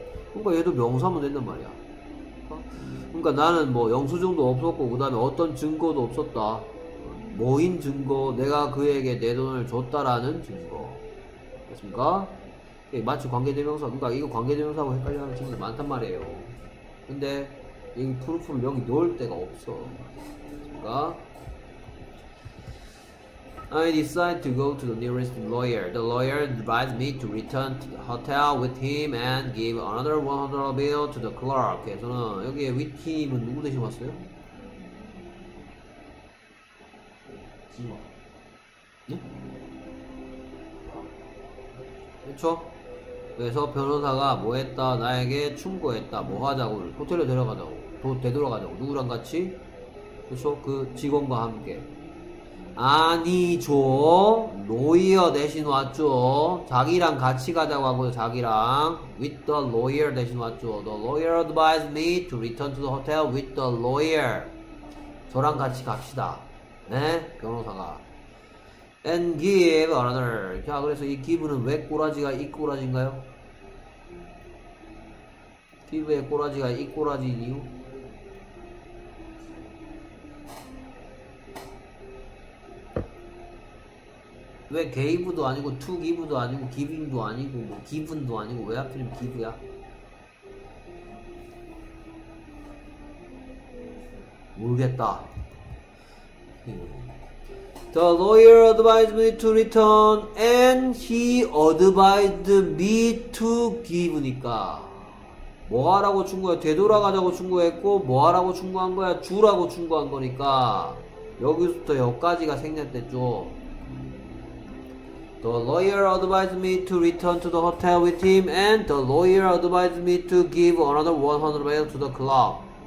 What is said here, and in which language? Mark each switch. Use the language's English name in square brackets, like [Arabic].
[Korean] 그러니까 얘도 명사면 된단 말이야. 그러니까 나는 뭐 영수증도 없었고 그 다음에 어떤 증거도 없었다. 모인 증거, 내가 그에게 내 돈을 줬다라는 증거. 됐습니까? 마치 관계대명사, 그러니까 이거 관계대명사하고 헷갈리는 친구들 많단 말이에요. 근데 이 프루프를 여기 넣을 데가 없어. 됐습니까? [English] I decided to go to the nearest lawyer. The lawyer advised me to return to the hotel with him and give another $100 bill to the clerk. [Korean] 그래서는 여기에 with him은 누구 대신 왔어요? 네? 그쵸? 그래서 변호사가 뭐 했다? 나에게 충고했다. 뭐 하자고? 호텔에 데려가자고. 또 되돌아가자고. 누구랑 같이? 그쵸? 그 직원과 함께. 아니죠. 로이어 대신 왔죠. 자기랑 같이 가자고 하고 자기랑. [English] With the lawyer [Korean] 대신 왔죠. [English] The lawyer advised me to return to the hotel with the lawyer. [Korean] 저랑 같이 갑시다. 네? 변호사가. [English] And give another. [Korean] 자, 그래서 이 give는 왜 꼬라지가 이 꼬라지인가요? give의 꼬라지가 이 꼬라지인 이유? 왜 gave도 아니고 to give도 아니고 giving도 아니고 뭐 given도 아니고 왜 하필이면 give야? 모르겠다. [English] The lawyer advised me to return and he advised me to give니까. [Korean] 뭐 하라고 충고해? 되돌아가자고 충고했고, 뭐 하라고 충고한 거야? 주라고 충고한 거니까. 여기서부터 여기까지가 생략됐죠. [English] The lawyer advised me to return to the hotel with him and the lawyer advised me to give another 100 miles to the club.